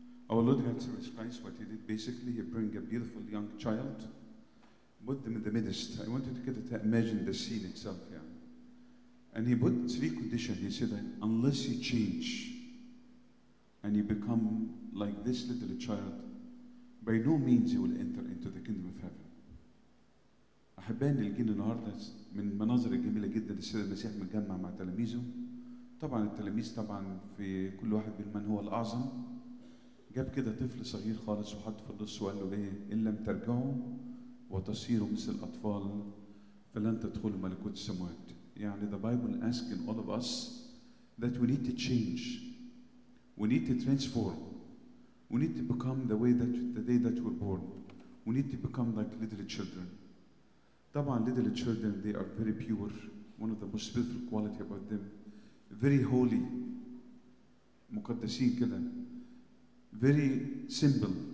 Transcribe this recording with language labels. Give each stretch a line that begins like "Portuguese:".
English: Our Lord God, Jesus Christ, what he did, basically, he bring a beautiful young child, put them in the midst. I want you to get it to imagine the scene itself, yeah. And he put three conditions. He said, unless you change and you become like this little child, by no means you will enter into the kingdom of heaven.
Arabic: أحبان اللي جينا النهاردة من المناظر الجميلة جدا السيد المسيح متجمع مع تلاميذه. طبعا التلاميذ طبعا في كل واحد من هو الأعظم جاب كده طفل صغير خالص وحط في النص وقال له إيه إن لم ترجعوا وتصيروا مثل الأطفال فلن تدخلوا ملكوت السماوات.
English: يعني the Bible asking all of us that we need to change, we need to transform, we need to become the way that the day that we're born, we need to become like little children. طبعا little children they are very pure, one of the most beautiful quality about them, very holy,
Arabic: مقدسين كده,
English: very simple.